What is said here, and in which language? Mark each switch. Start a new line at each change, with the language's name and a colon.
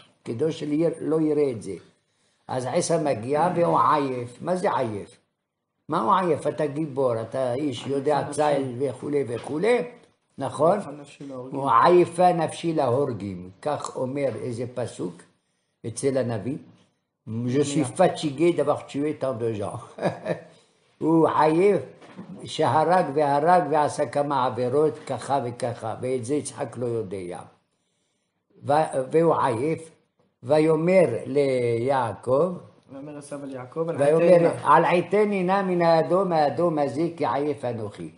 Hebrew: כדי שלא יראה את זה. אז עשיו מגיע והוא עייף. מה זה עייף? מה הוא עייף? אתה גיבור, אתה איש יודע צהל וכו' וכו', נכון? הוא עייפה נפשי להורגים. כך אומר איזה פסוק אצל הנביא.
French: Je suis fatigué d'avoir tué tant de gens.
Hebrew: הוא עייף שהרג והרג ועשה כמה עבירות ככה וככה, ואת זה יצחק לא יודע. והוא עייף, ויאמר ליעקב, ויאמר על עיתני נא מן האדום, האדום הזה כי עייף אנוכי.